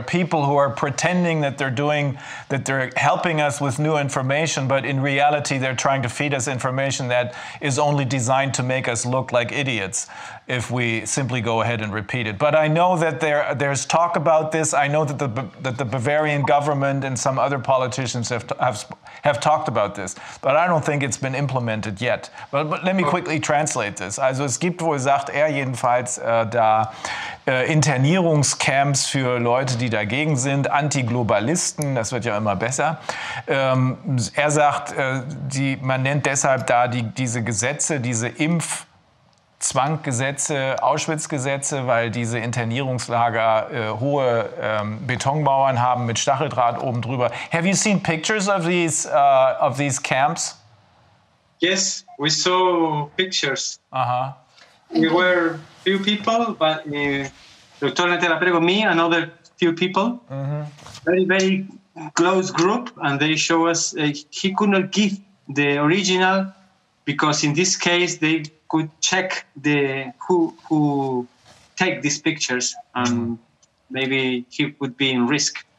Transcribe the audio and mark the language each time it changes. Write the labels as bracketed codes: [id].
[en] People who are pretending that they're helping us with new information, but in reality, they're trying to feed us information that is only designed to make us look like idiots if we simply go ahead and repeat it. But I know that there's talk about this. I know that the Bavarian government and some other politicians have talked about this, but I don't think it's been implemented yet. But let me quickly translate this. [de] Also es gibt wohl, sagt jedenfalls, Internierungscamps für Leute, die dagegen sind, Antiglobalisten, das wird ja immer besser. Er sagt, man nennt deshalb da diese Gesetze, diese Impfzwanggesetze, Auschwitzgesetze, weil diese Internierungslager hohe Betonmauern haben mit Stacheldraht oben drüber. [en] Have you seen pictures of these camps? Yes, we saw pictures. Uh-huh. We were few people, but Dr. Natella Prego, me and other few people, mm-hmm. very, very close group, and they show us he could not give the original, because in this case they could check the who take these pictures, and maybe he would be in risk.